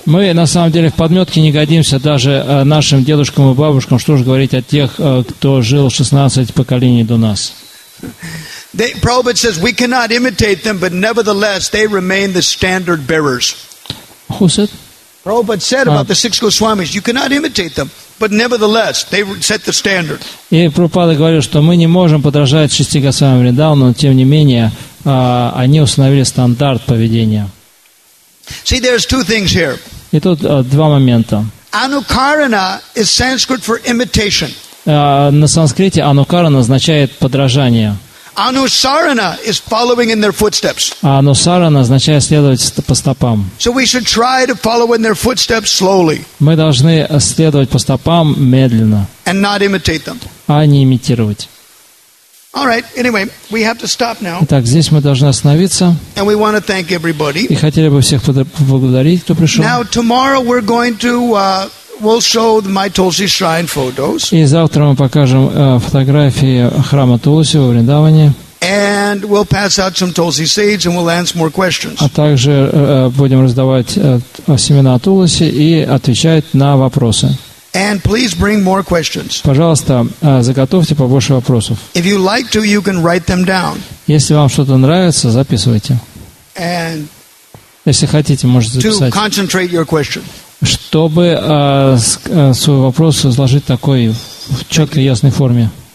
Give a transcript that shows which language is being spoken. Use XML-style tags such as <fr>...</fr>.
<ru>Мы на самом деле в подметке не годимся даже нашим дедушкам и бабушкам, что уж говорить о тех, кто жил 16 поколений до нас.</ru> <en>Prabhupada says we cannot imitate them, but nevertheless they remain the standard bearers. Who said? Prabhupada said about the six Goswamis, you cannot imitate them, but nevertheless they set the standard.</en> <ru>И Прабхупада говорил, что мы не можем подражать шести Госвами Вриндавана, но тем не менее они установили стандарт поведения.</ru> <en>See, there's two things here.</en> <ru>И тут два момента.</ru> <en>Anukarana is Sanskrit for imitation.</en> <ru>На санскрите anukarana означает подражание.</ru> <en>Anusarana is following in their footsteps.</en> <ru>Anusarana означает следовать по стопам.</ru> <en>So we should try to follow in their footsteps slowly.</en> <ru>Мы должны следовать по стопам медленно.</ru> <en>And not imitate them.</en> <ru>А не имитировать.</ru> <en>All right. Anyway, we have to stop now.</en> <ru>Итак, здесь мы должны остановиться.</ru> <en>And we want to thank everybody.</en> <ru>И хотели бы всех поблагодарить, кто пришел.</ru> <en>Now tomorrow we're going to we'll show the My Tulsi Shrine photos.</en> <ru>И завтра мы покажем фотографии храма Тулси во Вриндаване.</ru> <en>And we'll pass out some Tulsi seeds and we'll answer more questions.</en> <ru>А также будем раздавать семена Тулси и отвечать на вопросы.</ru> <en>And please bring more questions.</en> <ru>Пожалуйста, заготовьте побольше вопросов.</ru> <en>If you like to, you can write them down.</en> <ru>Если вам что-то нравится, записывайте.</ru> <en>And</en> <ru>если хотите, можете записать.</ru> <en>To concentrate your question.</en> <ru>Чтобы свой вопрос изложить такой в четкой, ясной форме.</ru>